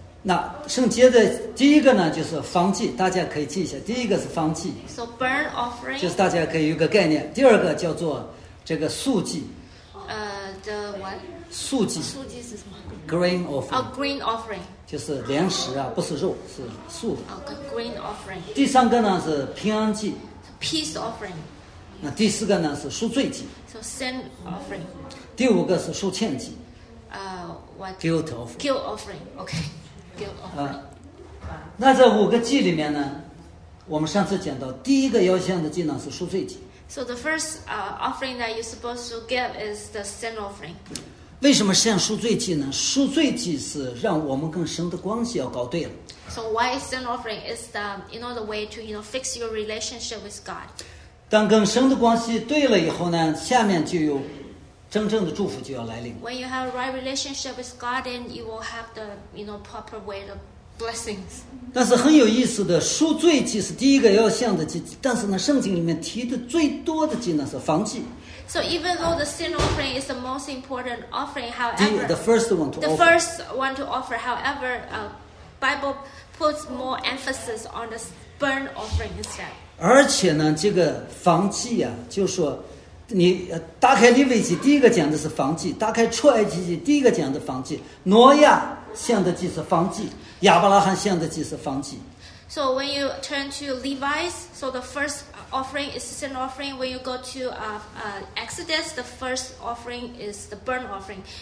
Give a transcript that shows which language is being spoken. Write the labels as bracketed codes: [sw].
[zh] 那圣洁的第一个呢，就是燔祭，大家可以记一下。第一个是燔祭。 [en] So burnt offering. [zh] 就是大家可以有个概念。第二个叫做这个素祭。 [en] The what? [zh] 素祭。素祭是什么 [en] ？Grain offering. A grain offering. [zh] 就是粮食啊，不是肉，是素的。 [en] A grain offering. [zh] 第三个呢是平安祭。 [en] Peace offering. [zh] 那第四个呢是赎罪祭。 [en] So sin offering. [zh] 第五个是赎欠祭。 [en] What? Guilt offering. Guilt offering. Okay. Guilt offering. [zh] 那这五个祭里面呢，我们上次讲到第一个要献的祭呢是赎罪祭。 [en] So the first offering that you're supposed to give is the sin offering. [zh] 为什么献赎罪祭呢？赎罪祭是让我们跟神的关系要搞对了。 [en] So why sin offering is the you know the way to you know fix your relationship with God. [zh] 当跟神的关系对了以后呢，下面就有真正的祝福就要来临。 [en] When you have a right relationship with God, then you will have the you know proper way of blessings. [zh] 但是很有意思的，赎罪祭是第一个要献的祭，但是呢，圣经里面提的最多的祭呢是燔祭。 [en] So even though the sin offering is the most important offering, however, the first one to offer, Bible puts more emphasis on the burnt offering instead. [zh] 而且呢，这个燔祭啊，就是、说你打开利未记，第一个讲的是燔祭；打开出埃及记，第一个讲的燔祭。挪亚献的祭是燔祭，亚伯拉罕献的祭是燔祭。 [en] So when you turn to Levites, so the first offering is sin offering. When you go to Exodus, the first offering is the burnt offering.